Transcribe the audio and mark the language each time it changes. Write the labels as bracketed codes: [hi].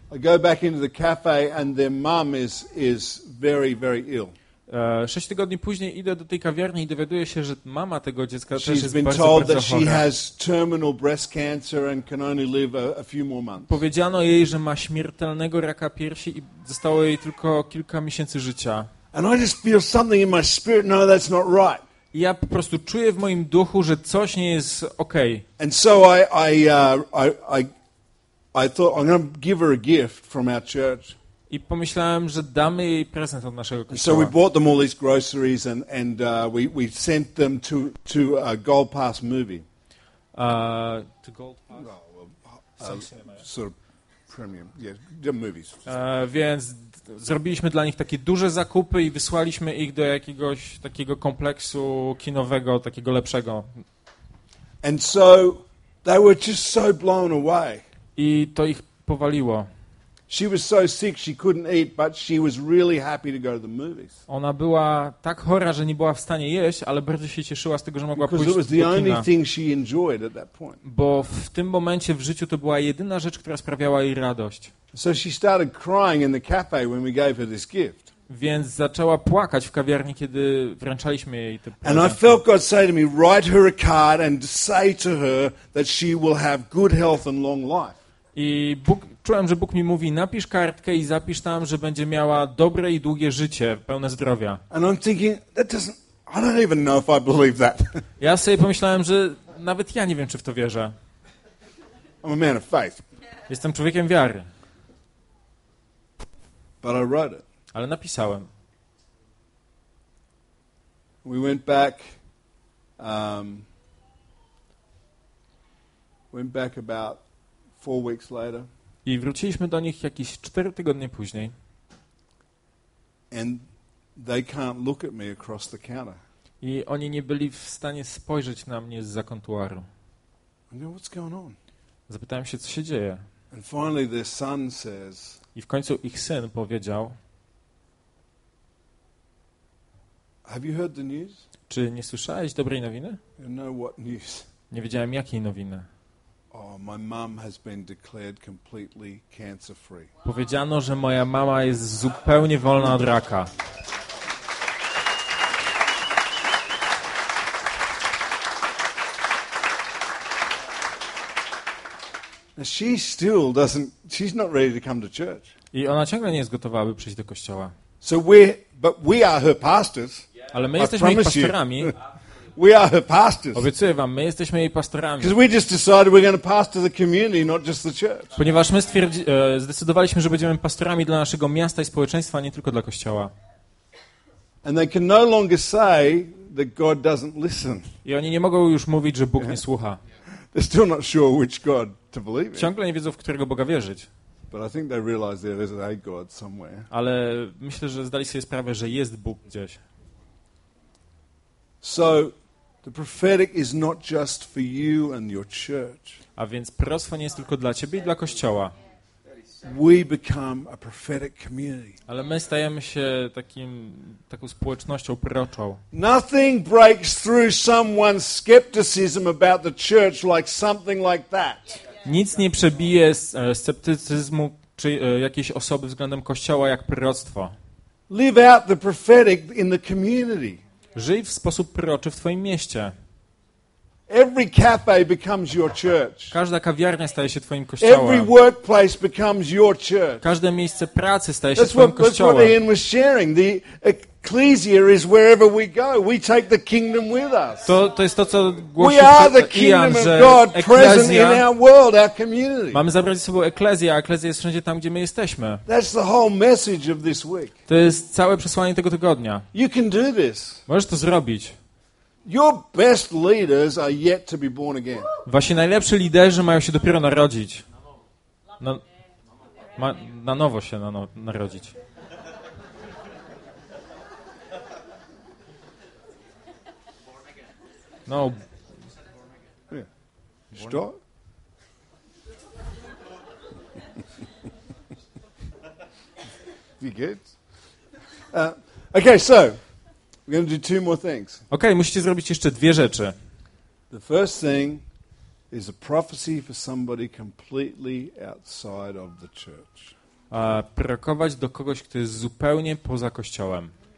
[en] I go back into the cafe and their mom is very, very ill. [pl] 6 tygodni później idę do tej kawiarni i dowiaduję się, że mama tego dziecka też jest bardzo, bardzo chora. [en] She has terminal breast cancer and can only live a few more months. [pl] Powiedziano jej, że ma śmiertelnego raka piersi i zostało jej tylko kilka miesięcy życia. [en] And I just feel something in my spirit, no, that's not right. [pl] I ja po prostu czuję w moim duchu, że coś nie jest okej. [en] Okay. And so I thought I'm going to give her a gift from our church. [pl] I pomyślałem, że damy jej prezent od naszego kościoła. [en] So we bought them all these groceries and we sent them to a Gold Pass movie. To Gold Pass. Sort of premium. Yeah, movies. [pl] Więc zrobiliśmy dla nich takie duże zakupy i wysłaliśmy ich do jakiegoś takiego kompleksu kinowego, takiego lepszego. [en] And so they were just so blown away. [pl] I to ich powaliło. [en] She was so sick she couldn't eat, but she was really happy to go to the movies. [pl] Ona była tak chora, że nie była w stanie jeść, ale bardzo się cieszyła z tego, że mogła pójść do kina. [en] Because it was the only thing she enjoyed at that point. [pl] Bo w tym momencie w życiu to była jedyna rzecz, która sprawiała jej radość. [en] So she started crying in the cafe when we gave her this gift. [pl] Więc zaczęła płakać w kawiarni, kiedy wręczaliśmy jej te prezenty. [en] And I felt God say to me, write her a card and say to her that she will have good health and long life. [pl] I Bóg, czułem, że Bóg mi mówi, napisz kartkę i zapisz tam, że będzie miała dobre i długie życie, pełne zdrowia. [en] And I'm thinking, that doesn't, I don't even know if I believe that. [pl] Ja sobie pomyślałem, że nawet ja nie wiem, czy w to wierzę. [en] I'm a man of faith. [pl] Jestem człowiekiem wiary. [en] But I wrote it. [pl] Ale napisałem. [en] We went back about 4 weeks later. [pl] I wróciliśmy do nich jakieś 4 tygodnie później. [en] And they can't look at me across the counter. [pl] I oni nie byli w stanie spojrzeć na mnie zza kontuaru. [en] And then what's going on? [pl] Zapytałem się, co się dzieje. [en] And finally their son says. [pl] I w końcu ich syn powiedział. [en] Have you heard the news? [pl] Czy nie słyszałeś dobrej nowiny? [en] You know what news? [pl] Nie wiedziałem, jakiej nowiny. [en] Oh, my mom has been declared completely cancer-free. [pl] Powiedziano, że moja mama jest zupełnie wolna od raka. [en] She still doesn't. She's not ready to come to church. [pl] I ona ciągle nie jest gotowa, aby przyjść do kościoła. [en] So we are her pastors. [pl] Ale my jesteśmy jej pastorami. [en] We are her pastors. [pl] Obiecuję wam, my jesteśmy jej pastorami. [en] Because we just decided we're going to pastor the community, not just the church. [pl] Ponieważ my zdecydowaliśmy, że będziemy pastorami dla naszego miasta i społeczeństwa, a nie tylko dla kościoła. [en] And they can no longer say that God doesn't listen. [pl] I oni nie mogą już mówić, że Bóg nie słucha. [en] They're still not sure which God to believe in. [pl] Ciągle nie wiedzą, w którego Boga wierzyć. [en] But I think they realize there is a God somewhere. [pl] Ale myślę, że zdali sobie sprawę, że jest Bóg gdzieś. [en] So the prophetic is not just for you and your church. [pl] A więc proroctwo nie jest tylko dla ciebie i dla kościoła. [en] We become a prophetic community. [pl] Ale my stajemy się taką społecznością proroczą. [en] Nothing breaks through someone's skepticism about the church like something like that. [pl] Nic nie przebije sceptycyzmu czy jakiejś osoby względem kościoła jak proroctwo. [en] Live out the prophetic in the community. [pl] Żyj w sposób proroczy w twoim mieście. [en] Every cafe becomes your church. [pl] Każda kawiarnia staje się twoim kościołem. [en] Every workplace becomes your church. [pl] Każde miejsce pracy staje się twoim kościołem. [en] That's what Ian was sharing. The ecclesia is wherever we go. We take the kingdom with us. [pl] To jest to, co głosił Ian. [en] We are the kingdom of God present in our world, our community. [pl] Mamy zabrać ze sobą eklezję, a eklezja jest wszędzie tam, gdzie my jesteśmy. [en] That's the whole message of this week. [pl] To jest całe przesłanie tego tygodnia. [en] You can do this. [pl] Możesz to zrobić. [en] Your best leaders are yet to be born again. [pl] Wasi najlepsi liderzy mają się dopiero narodzić. Na nowo się narodzić. No. Co? [en] You good? Okay, so we're going to do two more things. [pl] Okay, musicie zrobić jeszcze dwie rzeczy. [en] The first thing is a prophecy for somebody completely outside of the church. [pl] A prorokować do kogoś, kto jest zupełnie poza kościołem.